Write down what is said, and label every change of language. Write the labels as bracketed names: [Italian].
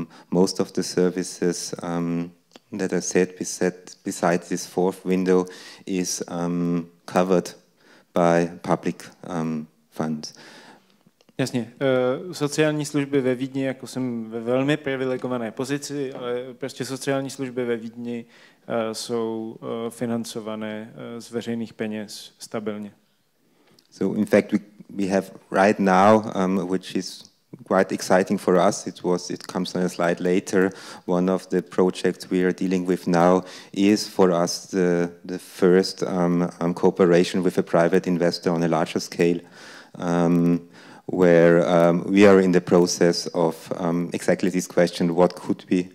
[English] most of the services that are set beside this fourth window is covered by public funds. [Czech] Jasně. Sociální služby ve Vídni, jako jsem ve velmi privilegované pozici, ale prostě sociální služby ve Vídni jsou financované z veřejných peněz stabilně. [English] So in fact we have right now, which is quite exciting for us, it comes on a slide later, one of the projects we are dealing with now is for us the first cooperation with a private investor on a larger scale, where we are in the process of exactly this question, what could